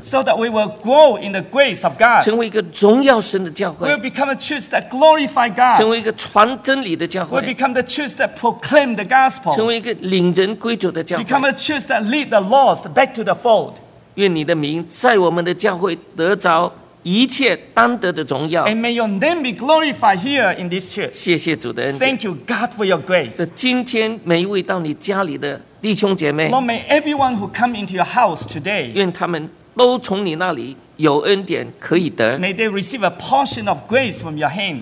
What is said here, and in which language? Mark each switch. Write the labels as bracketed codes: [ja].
[en] so that we will grow in the grace of God, [zh] 成为一个荣耀神的教会 [en] we will become a church that glorify God, [zh] 成为一个传真理的教会 [en] we will become the church that proclaim the gospel, [zh] 成为一个领人归主的教会 [en] become a church that lead the lost back to the fold. [zh] 愿你的名在我们的教会得着一切当得的荣耀。 [en] And may your name be glorified here in this church. [zh] 谢谢主的恩典。 [en] Thank you, God, for your grace. [zh] 今天每一位到你家里的弟兄姐妹。 [en] Lord, may everyone who come into your house today. [zh] 愿他们都从你那里有恩典可以得。 [en] May they receive a portion of grace from your hand.